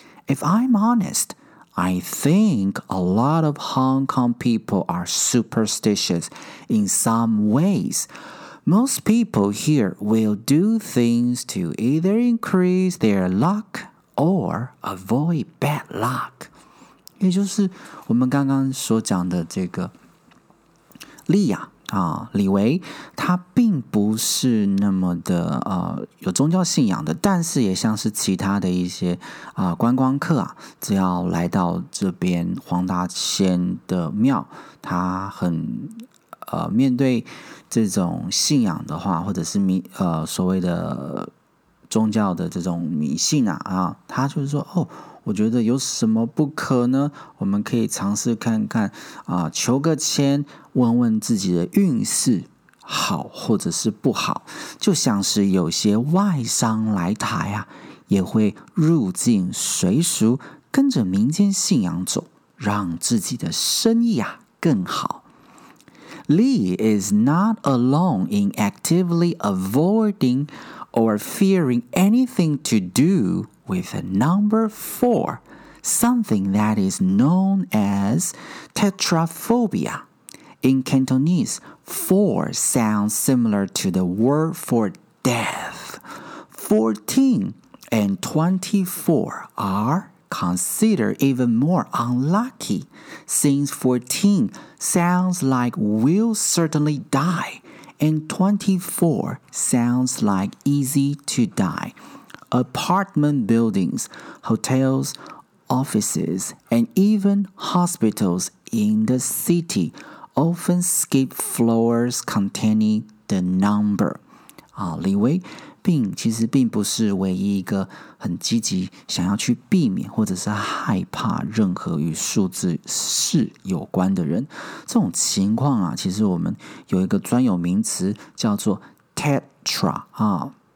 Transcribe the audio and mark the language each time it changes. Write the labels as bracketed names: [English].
[English] If I'm honest, I think a lot of Hong Kong people are superstitious in some ways. Most people here will do things to either increase their luck or avoid bad luck. [Chinese] 也就是我们刚刚所讲的这个利亚，李维，他并不是那么的有宗教信仰的，但是也像是其他的一些观光客啊，只要来到这边黄大仙的庙，他很面对这种信仰的话，或者是所谓的宗教的这种迷信啊，他就是说哦，我觉得有什么不可呢？我们可以尝试看看，求个签，问问自己的运势好或者是不好。就像是有些外商来台啊，也会入境随俗，跟着民间信仰走，让自己的生意啊更好。 [English] Lee is not alone in actively avoiding or fearing anything to do with number 4, something that is known as tetraphobia. In Cantonese, 4 sounds similar to the word for death. 14 and 24 are considered even more unlucky, since 14 sounds like we'll certainly die, and 24 sounds like easy to die. Apartment buildings, hotels, offices, and even hospitals in the city often skip floors containing the number. [Chinese] 李维病其实并不是唯一一个很积极想要去避免或者是害怕任何与数字是有关的人。这种情况啊，其实我们有一个专有名词叫做 tetra 啊。